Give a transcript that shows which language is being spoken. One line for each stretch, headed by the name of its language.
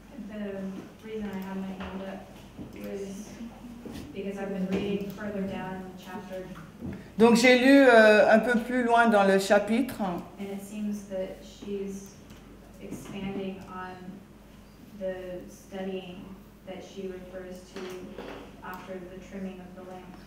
English: The reason I have my hand up was because I've been reading further down in the chapter.
French: Donc j'ai lu un peu plus loin dans le chapitre.
English: And it seems that she's expanding on the studying that she refers to after the trimming of the lamp.